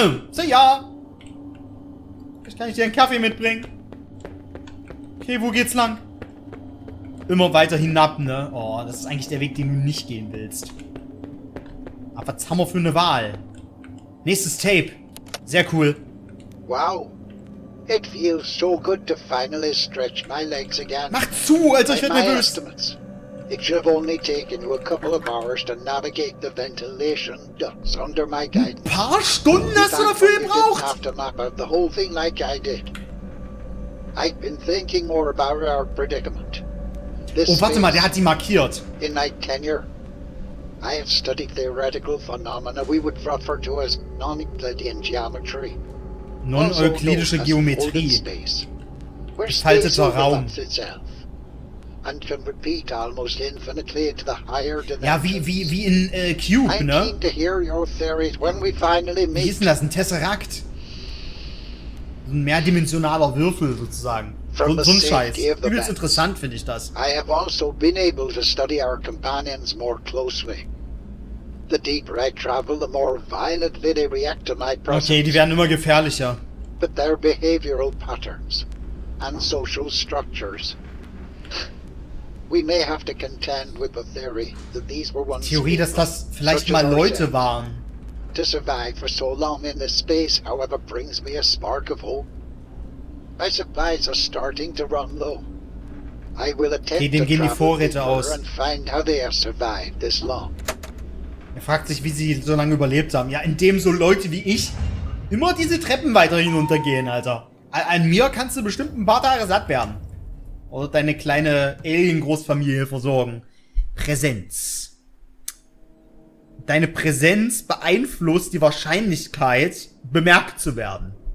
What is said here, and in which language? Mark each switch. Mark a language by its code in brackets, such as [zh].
[de] So, ja. Vielleicht kann ich dir einen Kaffee mitbringen. Okay, wo geht's lang? Immer weiter hinab, ne? Oh, das ist eigentlich der Weg, den du nicht gehen willst. Aber was haben wir für eine Wahl? Nächstes Tape. Sehr cool. Wow. [en] It feels so good to finally stretch my legs again. [de] Mach zu, Alter, ich werde nervös. [en] It should have only taken you a couple of hours to navigate the ventilation ducts under my guidance. [de] Ein paar Stunden hast du dafür gebraucht? [en] You didn't have to map out the whole thing like I did. I've been thinking more about our predicament. [de] This oh, warte mal, der hat die markiert. [en] In my tenure, I have studied theoretical phenomena we would refer to as non-Euclidean geometry. [de] Non-Euklidische Geometrie. [en] Space. Where space overlaps itself. And can repeat almost infinitely into the higher dimensions. [de] Ja, wie in Cube, ne? [en] I'm keen to hear your theories when we finally meet. [de] Wie hieß denn das? Ein Tesseract? Ein mehrdimensionaler Würfel sozusagen. [en] From [de] so ein Scheiß. Übelst interessant finde ich das. [en] I have also been able to study our companions more closely. The deeper I travel, the more violently they react to my presence. [de] Okay, die werden immer gefährlicher. [en] But their behavioral patterns and social structures. We may have to contend with the theory that these were once [de] Theorie, dass das vielleicht mal Leute waren. [en] To survive for so long in this space, however, brings me a spark of hope. My supplies are starting to run low. I will attempt to travel further and find how they have survived this long. [de] Er fragt sich, wie sie so lange überlebt haben. Ja, indem so Leute wie ich immer diese Treppen weiter hinuntergehen, Alter. An mir kannst du bestimmt ein paar Tage satt werden. Oder deine kleine Alien-Großfamilie versorgen. Präsenz. Deine Präsenz beeinflusst die Wahrscheinlichkeit, bemerkt zu werden.